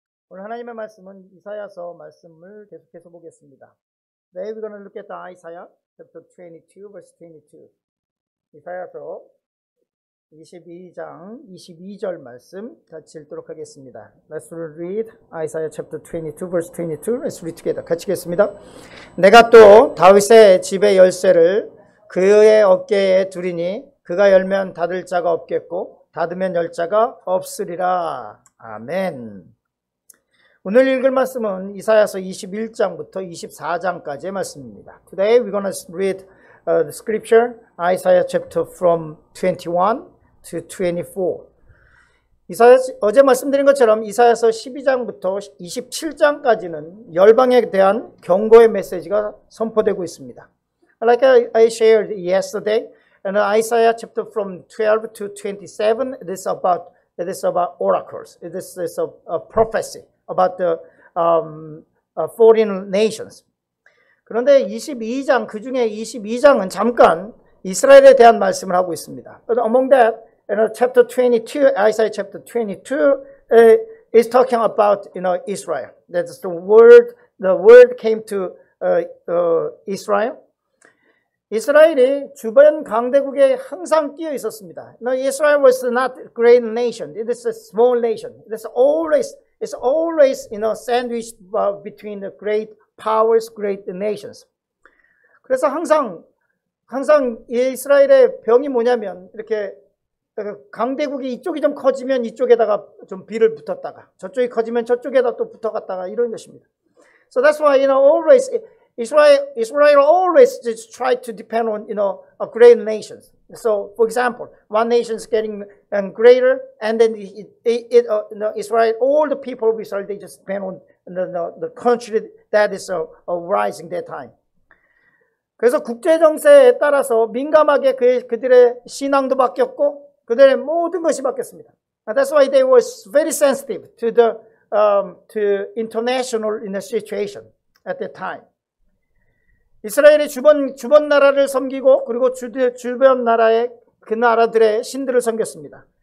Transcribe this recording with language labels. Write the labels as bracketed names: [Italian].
[Korean] 오늘 하나님의 말씀은 이사야서 말씀을 계속해서 보겠습니다. [English] Today we're going to look at Isaiah chapter 22 verse 22. [Korean] 이사야서 22장 22절 말씀 같이 읽도록 하겠습니다. [English] Let's read Isaiah chapter 22 verse 22. Let's read together. [Korean] 같이 읽겠습니다. 내가 또 다윗의 집의 열쇠를 그의 어깨에 두리니 그가 열면 닫을 자가 없겠고 닫으면 열 자가 없으리라. 아멘. 오늘 읽을 말씀은 이사야서 21장부터 24장까지의 말씀입니다. [English] Today we're going to read the scripture Isaiah chapter from 21 to 24. [Korean] 어제 말씀드린 것처럼 이사야서 12장부터 27장까지는 열방에 대한 경고의 메시지가 선포되고 있습니다. [English] Like I shared yesterday, and Isaiah chapter from 12 to 27, it is about oracles. It is a prophecy about the foreign nations. [Korean] 그런데 22장 그 중에 22장은 잠깐 이스라엘에 대한 말씀을 하고 있습니다. [English] But among that, in chapter 22, Isaiah chapter 22 is talking about Israel. That's the word came to Israel. [Korean] 이스라엘이 주변 강대국에 항상 끼어 있었습니다. [English] Now Israel was not a great nation. It is a small nation. It's always sandwiched between the great powers, great nations. [Korean] 그래서 항상 이스라엘의 병이 뭐냐면 이렇게 강대국이 이쪽이 좀 커지면 이쪽에다가 좀 비를 붙었다가 저쪽이 커지면 저쪽에다 또 붙어갔다가 이런 것입니다. [English] So that's why always Israel always just try to depend on a great nations. So for example, one nation is getting greater, and then Israel, all the people of Israel, they just depend on the country that is rising that time. [Korean] 그래서 국제 정세에 따라서 민감하게 그들의 신앙도 바뀌었고 그들의 모든 것이 바뀌었습니다. [English] And that's why they were very sensitive to the to international situation at that time. [Korean] 이스라엘이 주변 나라를 섬기고 그리고 주변 나라의 그 나라들의 신들을 섬겼습니다.